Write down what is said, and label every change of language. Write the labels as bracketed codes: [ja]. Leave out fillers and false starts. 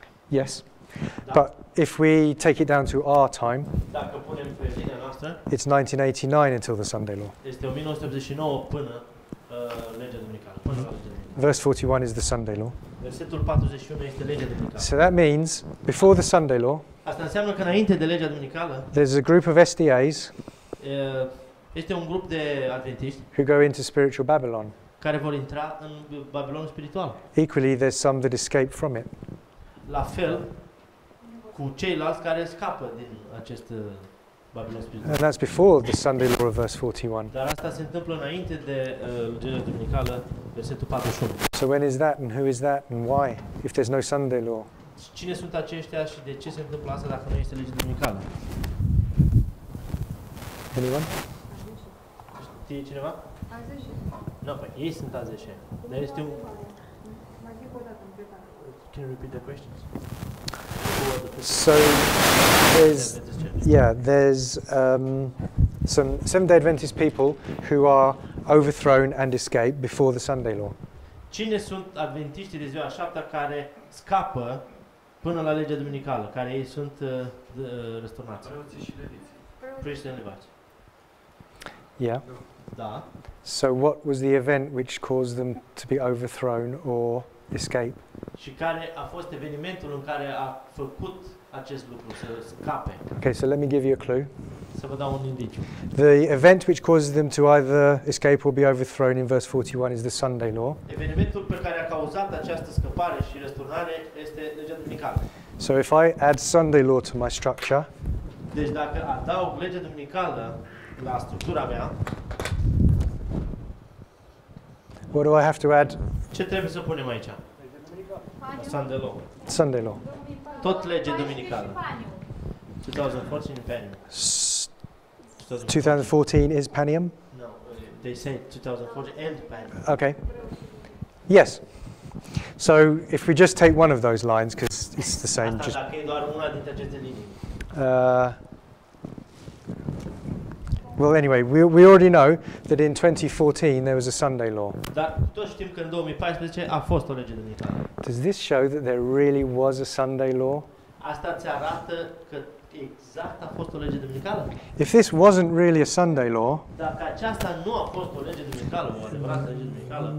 [en] Yes, but if we take it down to our time, [ro] dacă punem pe linia noastră, [en] it's 1989 until the Sunday law. [ro] Este 1989 până legea duminicală. [en] Verse 41 is the Sunday law. [ro] Versetul 41 este legea duminicală. [en] So that means before the Sunday law, [ro] asta înseamnă că înainte de legea duminicală, [en] there's a group of SDAs. [ro] Este un grup de adventiști [en] who go into spiritual Babylon. [ro] Care vor intra în Babilon spiritual. [en] Equally, there's some that escape from it. [ro] La fel cu ceilalți care scapă din acest Babilon spiritual. [en] And that's before the Sunday law of verse 41. [ro] Dar asta se întâmplă înainte de legea duminicală, versetul 41. [en] So when is that and who is that and why if there's no Sunday law? [ro] Cine sunt aceștia și de ce se întâmplă asta dacă nu este legea duminicală? [en] Anyone? [ro] Știi cineva? Azeșe. No, păi ei sunt azeșe. Dar este un... Mai zic o dată, întrebare. [en] Can you repeat the questions? So, there's... Yeah, there's some Seventh-day Adventist people who are overthrown and escape before the Sunday law. [ro] Cine sunt adventiștii de ziua a șaptea care scapă până la legea duminicală, care ei sunt răsturnați? Preoții și leviți. Preoții și leviți. [en] Yeah. [ro] Da. [en] So what was the event which caused them to be overthrown or escape. [ro] Și care a fost evenimentul în care a făcut acest lucru să scape? [en] Okay, so let me give you a clue. [ro] Să vă dau un indiciu. [en] The event which causes them to either escape or be overthrown in verse 41 is the Sunday law. [ro] Evenimentul pe care a cauzat această scăpare și răsturnare este legea duminicală. [en] So if I add Sunday law to my structure, [ro] deci dacă adaug legea duminicală la structura mea, [en] what do I have to add? [ro] Ce trebuie să punem aici? [en] Sunday law. Sunday law. [ro] Tot legea duminicală. 2014 Panium. [en] 2014 is Panium? No, they say 2014 and Panium. Okay. Yes. So if we just take one of those lines, because it's the same. [ro] Asta [en] just, [ro] dacă e doar una dintre aceste linii. [en] Well, anyway, we already know that in 2014 there was a Sunday law. [ro] Dar toți știm că în 2014 a fost o lege duminicală. [en] Does this show that there really was a Sunday law? [ro] Asta ți arată că exact a fost o lege duminicală? [en] If this wasn't really a Sunday law, [ro] dacă aceasta nu a fost o lege duminicală, o adevărată lege duminicală,